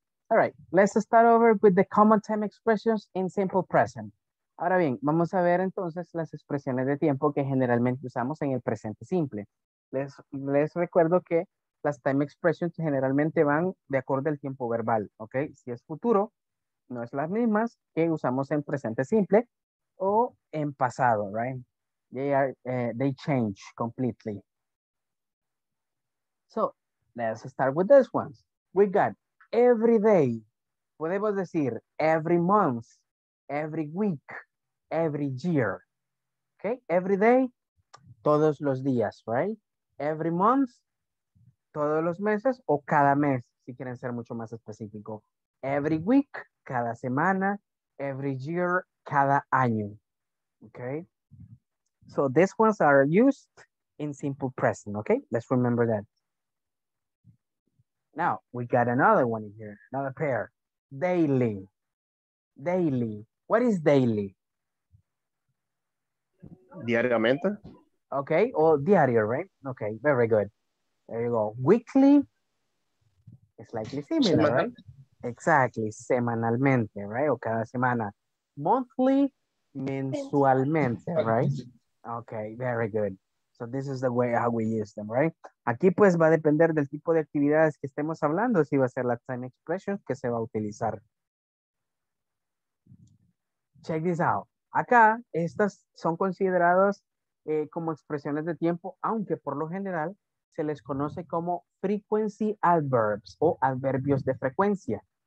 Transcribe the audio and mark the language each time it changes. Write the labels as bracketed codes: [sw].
[en] All right, let's start over with the common time expressions in simple present. [es] Ahora bien, vamos a ver entonces las expresiones de tiempo que generalmente usamos en el presente simple. Les recuerdo que las time expressions generalmente van de acuerdo al tiempo verbal, ¿ok? Si es futuro, no es las mismas que usamos en presente simple o en pasado, right? [en] They change completely. So, let's start with this ones. We got every day, [es] podemos decir [en] every month, every week, every year. Okay, every day, [es] todos los días, [en] right? Every month, [es] todos los meses o cada mes, si quieren ser mucho más específico. [en] Every week, [es] cada semana, [en] every year, [es] cada año. [en] Okay, so these ones are used in simple present, okay? Let's remember that. Now, we got another one here, another pair. Daily. Daily. What is daily? [es] Diariamente. [en] Okay, or diario, right? Okay, very good. There you go. Weekly. It's slightly similar, semanal. Right? Exactly. [es] Semanalmente, right? O cada semana. [en] Monthly, [es] mensualmente, right? [en] Okay, very good. So this is the way how we use them, right? [es] Aquí pues va a depender del tipo de actividades que estemos hablando, si va a ser la time expression que se va a utilizar. [en] Check this out. [es] Acá, estas son consideradas como expresiones de tiempo, aunque por lo general se les conoce como [en] frequency adverbs [es] o adverbios de frecuencia.